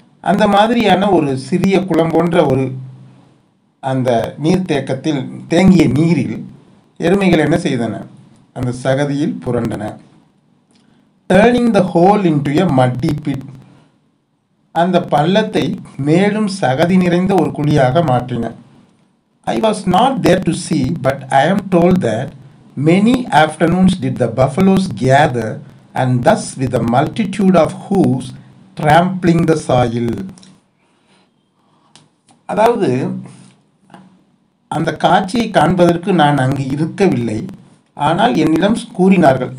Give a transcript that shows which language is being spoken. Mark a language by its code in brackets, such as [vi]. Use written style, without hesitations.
[ta] அந்த மாதிரியான ஒரு சிறிய குளம் போன்ற ஒரு அந்த நீர்த்தேக்கத்தில் தேங்கிய நீரில் எருமைகள் என்ன செய்தன, அந்த சகதியில் புரண்டன. [en] turning the hole into a muddy pit, [ta] அந்த பள்ளத்தை மேலும் சகதி நிறைந்த ஒரு குழியாக மாற்றின. [en] I was not there to see, but I am told that many afternoons did the buffaloes gather, and thus with a multitude of hooves trampling the soil. [ta] அதாவது அந்த காட்சியை காண்பதற்கு நான் அங்கு இருக்கவில்லை, ஆனால் என்னிடம் கூறினார்கள்.